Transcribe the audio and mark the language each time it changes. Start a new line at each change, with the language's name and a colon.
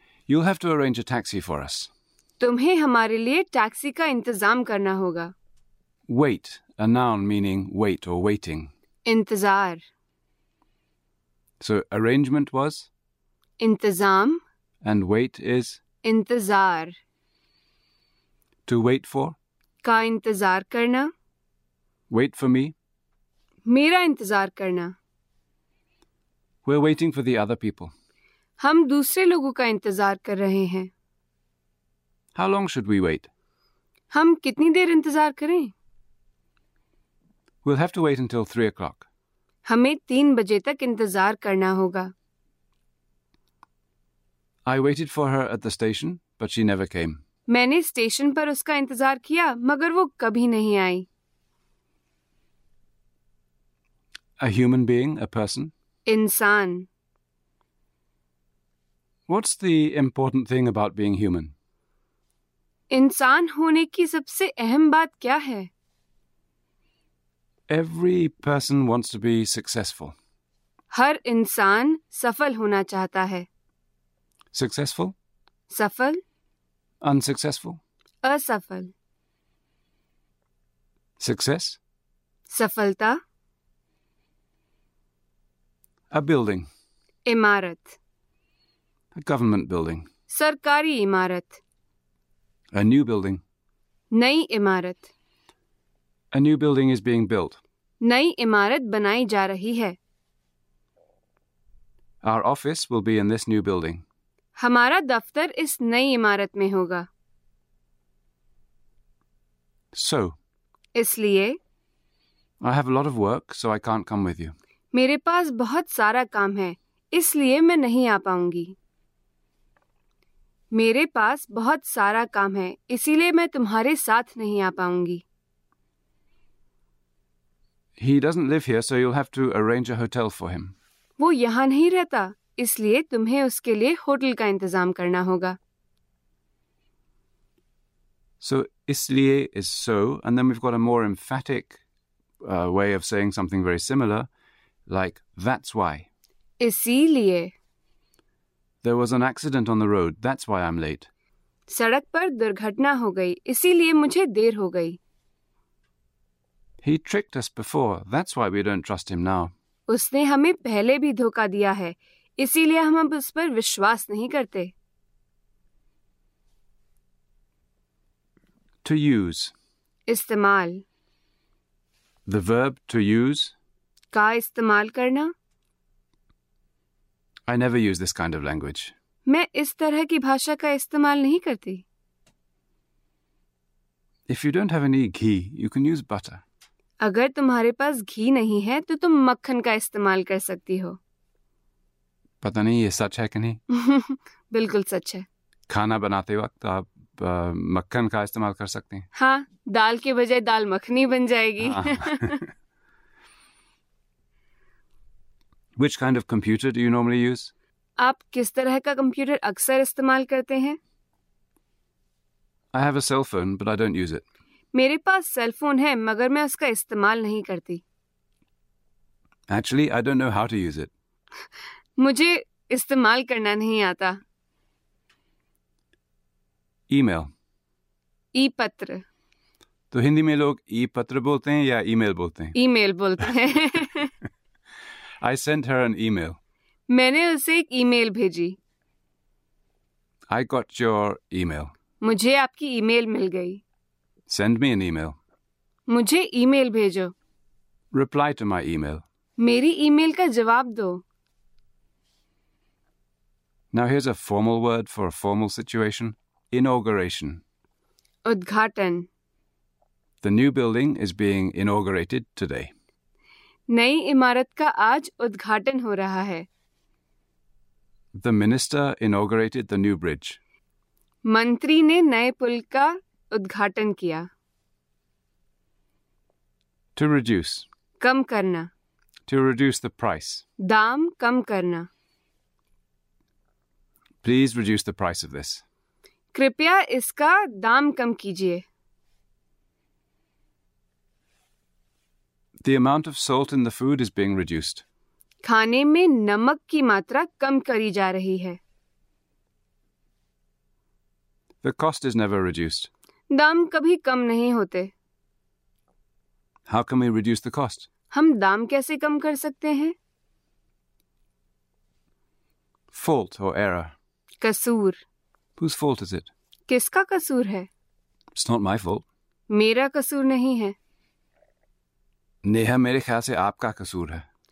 English: You'll have to arrange a taxi for us.
Hindi: तुम्हें हमारे लिए टैक्सी का इंतजाम करना होगा।
English: Wait, a noun meaning wait or waiting.
Hindi: इंतजार।
English: So arrangement was?
Hindi: इंतजाम।
English: And wait is?
Hindi: इंतजार।
English: To wait for?
Hindi: का इंतजार करना।
English: Wait for me?
Hindi: मेरा इंतजार करना।
English: We're waiting for the other people.
Hindi: हम दूसरे लोगों का इंतजार कर रहे हैं।
English: How long should we wait?
Hindi: हम कितनी देर इंतजार करें?
English: We'll have to wait until 3 o'clock.
Hindi: हमें 3 बजे तक इंतजार करना होगा।
English: I waited for her at the station, but she never came.
Hindi: मैंने स्टेशन पर उसका इंतजार किया, मगर वो कभी नहीं आई।
English: A human being, a person?
Hindi: इंसान।
English: What's the important thing about being human?
Hindi: इंसान होने की सबसे अहम बात क्या है?
English: Every person wants to be successful.
Hindi: हर इंसान सफल होना चाहता है।
English: Successful?
Hindi: सफल।
English: Unsuccessful?
Hindi: असफल।
English: Success?
Hindi: सफलता।
English: A building.
Hindi: इमारत।
English: A government building.
Hindi: सरकारी इमारत।
English: A new building.
Hindi: नई इमारत।
English: A new building is being built.
Hindi: नई इमारत बनाई जा रही है।
English: Our office will be in this new building.
Hindi: हमारा दफ्तर इस नई इमारत में होगा।
English: So,
Hindi: इसलिए,
English: I have a lot of work, so I can't come with you.
Hindi: मेरे पास बहुत सारा काम है, इसलिए मैं नहीं आ पाऊंगी। मेरे पास बहुत सारा काम है, इसीलिए मैं तुम्हारे साथ नहीं आ पाऊंगी।
English: He doesn't live here, so you'll have to arrange a hotel for him.
Hindi: वो यहाँ नहीं रहता, इसलिए तुम्हें उसके लिए होटल का इंतजाम करना होगा।
English: So, इसलिए is so, and then we've got a more emphatic way of saying something very similar, like that's why.
Hindi: इसीलिए।
English: There was an accident on the road. That's why I'm late.
Hindi: सड़क पर दुर्घटना हो गई, इसीलिए मुझे देर हो गई।
English: He tricked us before. That's why we don't trust him now.
Hindi: उसने हमें पहले भी धोखा दिया है, इसीलिए हम अब उस पर विश्वास नहीं करते।
English: To use.
Hindi: इस्तेमाल।
English: The verb to use.
Hindi: का इस्तेमाल करना।
English: I never use this kind of language.
Hindi: मैं इस तरह की भाषा का इस्तेमाल नहीं करती।
English: If you don't have any ghee, you can use butter.
Hindi: अगर तुम्हारे पास घी नहीं है तो तुम मक्खन का इस्तेमाल कर सकती हो। पता नहीं ये सच है कि नहीं। बिल्कुल सच है। खाना बनाते वक्त आप मक्खन का इस्तेमाल कर सकते हैं। हाँ, दाल के बजाय दाल मखनी बन जाएगी।
English: Which kind of computer do you normally use?
Hindi: आप किस तरह का कंप्यूटर अक्सर इस्तेमाल करते हैं?
English: I have a cell phone, but I don't use it.
Hindi: मेरे पास सेलफोन है, मगर मैं उसका इस्तेमाल नहीं करती।
English: Actually, I don't know how to use it.
Hindi: मुझे इस्तेमाल करना नहीं आता।
English: Email.
Hindi: ई पत्र। तो हिंदी में लोग ई पत्र बोलते हैं या ईमेल बोलते हैं? ईमेल बोलते हैं।
English: I sent her an email.
Hindi: मैंने उसे एक ईमेल भेजी।
English: I got your email.
Hindi: मुझे आपकी ईमेल मिल गई।
English: Send me an email.
Hindi: मुझे ईमेल भेजो।
English: Reply to my email.
Hindi: मेरी ईमेल का जवाब दो।
English: Now here's a formal word for a formal situation. Inauguration.
Hindi: उद्घाटन।
English: The new building is being inaugurated today.
Hindi: नई इमारत का आज उद्घाटन हो रहा है।
English: The minister inaugurated the new bridge.
Hindi: मंत्री ने नए पुल का उद्घाटन किया।
English: To reduce.
Hindi: कम करना।
English: To reduce the price.
Hindi: दाम कम करना।
English: Please reduce the price of this.
Hindi: कृपया इसका दाम कम कीजिए।
English: The amount of salt in the food is being reduced.
Hindi: खाने में नमक की मात्रा कम करी जा रही है।
English: The cost is never reduced.
Hindi: दाम कभी कम नहीं होते।
English: How can we reduce the cost?
Hindi: हम दाम कैसे कम कर सकते हैं?
English: Fault or error.
Hindi: कसूर।
English: Whose fault is it?
Hindi: किसका कसूर है?
English: It's not my fault.
Hindi: मेरा कसूर नहीं है। नेहा, मेरे ख्याल से आपका कसूर है।